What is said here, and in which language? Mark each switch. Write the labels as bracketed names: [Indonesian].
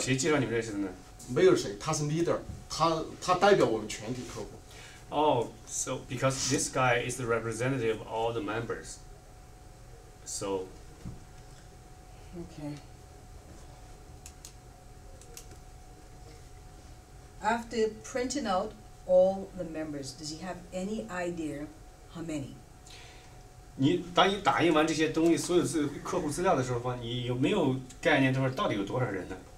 [Chinese] 谁介绍你们认识的呢？没有谁，他是 leader，他代表我们全体客户。 [English] Oh, so because this guy is the representative of all the members, so. Okay. After printing out all the members, does he have any idea how many? [Chinese] 你当你打印完这些东西，所有客户资料的时候，你有没有概念，就是到底有多少人呢？